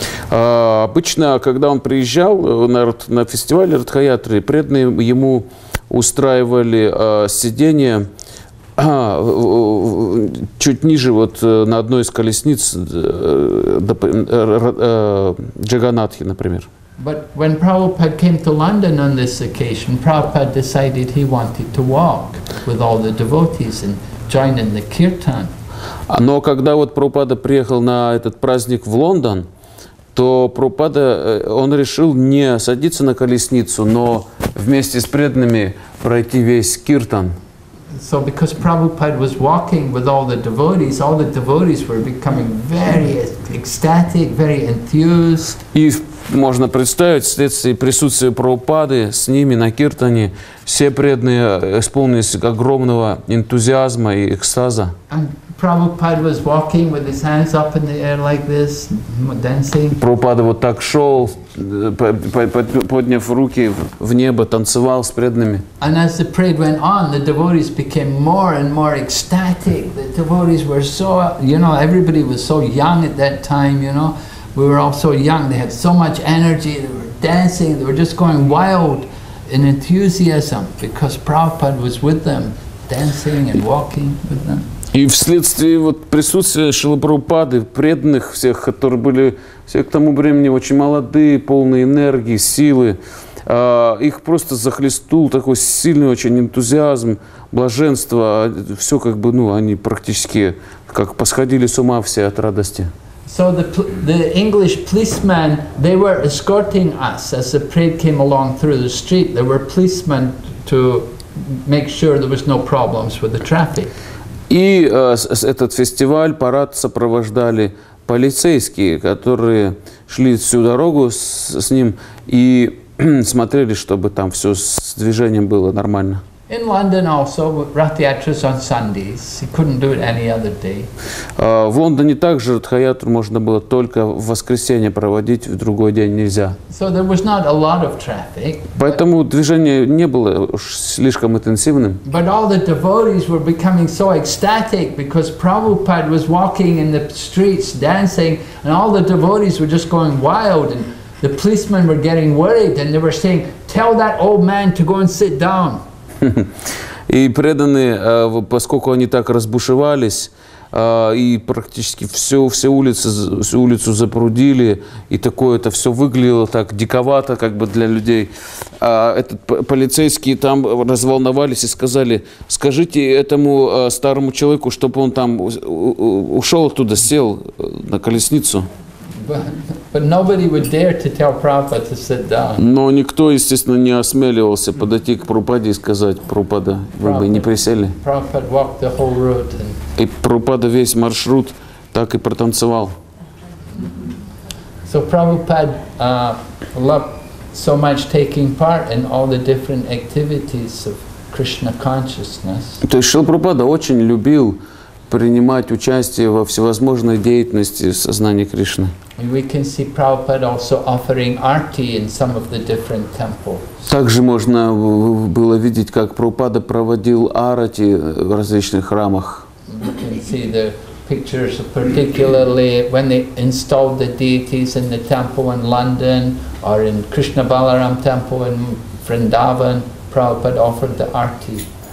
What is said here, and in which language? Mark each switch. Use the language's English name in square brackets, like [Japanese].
[Russian] Обычно, когда он приезжал на фестивале Ратха Ятры, преданные ему устраивали сиденье чуть ниже, вот на одной из колесниц Джаганатхи, например. [English] But when Prabhupada came to London on this occasion, Prabhupada decided he wanted to walk with all the devotees and join in the kirtan. [Russian] Но когда вот Прабхупада приехал на этот праздник в Лондон, то Прабхупада, он решил не садиться на колесницу, но вместе с преданными пройти весь киртан. [English] So because Prabhupada was walking with all the devotees were becoming very ecstatic, very enthused. [Russian] И можно представить, вследствие присутствия Прабхупады с ними на киртане, все преданные исполнились огромного энтузиазма и экстаза. [English] And Prabhupada was walking with his hands up in the air like this, dancing. [Russian] Прабхупада вот так шел, подняв руки в небо, танцевал с преданными. [English] And as the parade went on, the devotees became more and more ecstatic. The devotees were so, you know, everybody was so young at that time, you know. We were all so young, they had so much energy, they were dancing, they were just going wild in enthusiasm because Prabhupada was with them, dancing and walking with them. [Russian] И вследствие вот присутствия Шрилы Прабхупады, преданных всех, которые были все к тому времени очень молодые, полные энергии, силы, их просто захлестнул такой сильный очень энтузиазм, блаженство, все как бы, ну, они практически как посходили с ума все от радости. [English] So the English policemen, they were escorting us as the parade came along through the street. There were policemen to make sure there was no problems with the traffic. [Russian] И этот фестиваль, парад сопровождали полицейские, которые шли всю дорогу с ним и смотрели, чтобы там все с движением было нормально. [English] In London also, Rathyatras on Sundays. He couldn't do it any other day. [Russian] В Лондоне также Радхаятру можно было только в воскресенье проводить, в другой день нельзя. [English] So there was not a lot of traffic. [Russian] Поэтому движение не было уж слишком интенсивным. [English] But all the devotees were becoming so ecstatic because Prabhupada was walking in the streets dancing, and all the devotees were just going wild. And the policemen were getting worried, and they were saying, "Tell that old man to go and sit down." [Russian] И преданные, поскольку они так разбушевались, и практически всю улицу запрудили, и такое это все выглядело так диковато как бы для людей, этот полицейские там разволновались и сказали, скажите этому старому человеку, чтобы он там ушел оттуда, сел на колесницу. [English] But nobody would dare to tell Prabhupada to sit down. [Russian] Но никто, естественно, не осмеливался подойти к Прабхупаде и сказать: Прабхупада, вы бы не присели. [English] Prabhupada walked the whole route. [Russian] И Прабхупада весь маршрут так и протанцевал. [English] So Prabhupada loved so much taking part in all the different activities of Krishna consciousness. [Russian] То есть Шрила Прабхупада очень любил принимать участие во всевозможной деятельности сознания Кришны. [English] We can see Prabhupada also offering arti in some of the different temples. [Russian] Также можно было видеть, как Прабхупада проводил арати в различных храмах. [English] We can see the pictures of particularly when they installed the deities in the temple in London or in Krishna Balaram temple in Vrindavan, Prabhupada offered the arti.